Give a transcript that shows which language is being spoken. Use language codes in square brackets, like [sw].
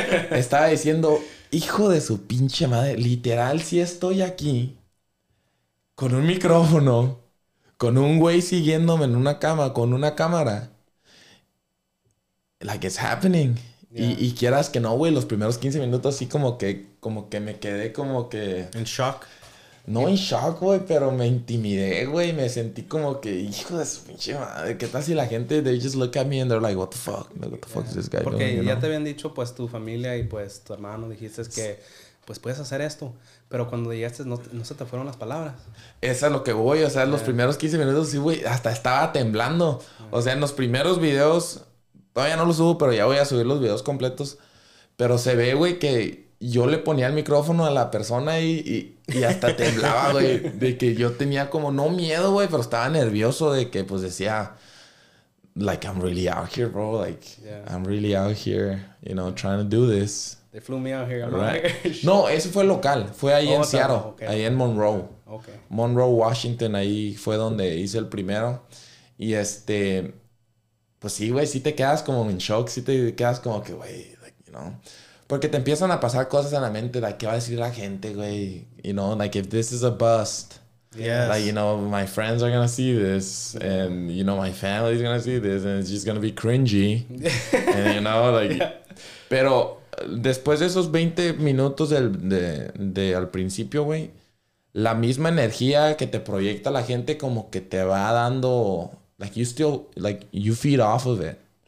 [es] Estaba diciendo, hijo de su pinche madre, literal, si estoy aquí con un micrófono, con un güey siguiéndome en una cama, con una cámara. [en] Like, it's happening. Yeah. [es] Y quieras que no, güey, los primeros 15 minutos sí como que me quedé como que... ¿En shock? No, en shock, güey, pero me intimidé, güey. Me sentí como que, hijo de su pinche madre. ¿Qué tal si la gente, [en] they just look at me and they're like, what the fuck? What the fuck is this guy? [es] Porque ya te habían dicho, pues, tu familia y, pues, tu hermano. Dijiste que, pues, puedes hacer esto. Pero cuando llegaste, no se te fueron las palabras. Eso es lo que voy. O sea, los primeros 15 minutos, sí, güey, hasta estaba temblando. O sea, en los primeros videos... Todavía no lo subo, pero ya voy a subir los videos completos. Pero se ve, güey, que yo le ponía el micrófono a la persona y hasta temblaba, güey. De que yo tenía como, no miedo, güey, pero estaba nervioso de que, pues, decía... [en] Like, I'm really out here, bro. Like, I'm really out here, you know, trying to do this. They flew me out here. I'm right? Like, [es] no, eso fue local. Fue ahí en Seattle. [en] Okay. [es] Ahí en Monroe. [en] Okay. [es] Monroe, Washington. Ahí fue donde hice el primero. Y pues sí, güey, sí te quedas como en shock, sí te quedas como que, güey, [en] like, you know. [es] Porque te empiezan a pasar cosas en la mente, like, ¿qué va a decir la gente, güey? [en] You know, like, if this is a bust. Yes. Like, you know, my friends are gonna see this. And, you know, my family is gonna see this. And it's just gonna be cringy. And, you know, like... Yeah. [es] Pero después de esos 20 minutos de al principio, güey, la misma energía que te proyecta la gente como que te va dando... [en] Like, you still, like, you feed off of it.